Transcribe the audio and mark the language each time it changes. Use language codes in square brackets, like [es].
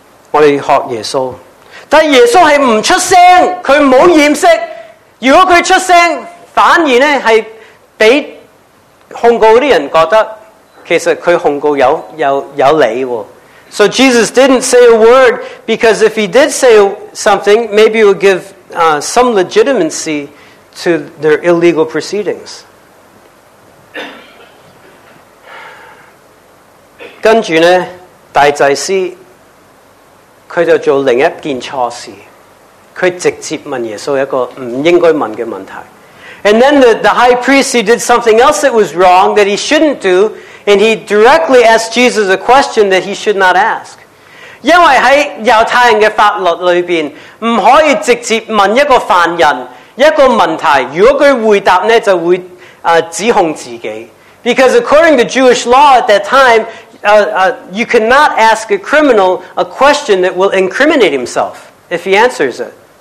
[zh] 我们学耶稣, 但耶稣是不出声, 他没有掩饰, 如果他出声, 反而呢, 是被控告的人觉得, 其实他控告有, 有理, [en] So Jesus didn't say a word, because if he did say something, maybe it would give some legitimacy to their illegal proceedings. [zh] 跟着呢, 大祭司, 他就做另一件错事, 他直接问耶稣一个不应该问的问题。 [en] And then the high priest, he did something else that was wrong, that he shouldn't do, and he directly asked Jesus a question that he should not ask. [zh] 因为在犹太人的法律里面, 不可以直接问一个犯人一个问题, 如果他回答呢, 就会指控自己。 [en] Because according to Jewish law at that time, you cannot ask a criminal a question that will incriminate himself if he answers it.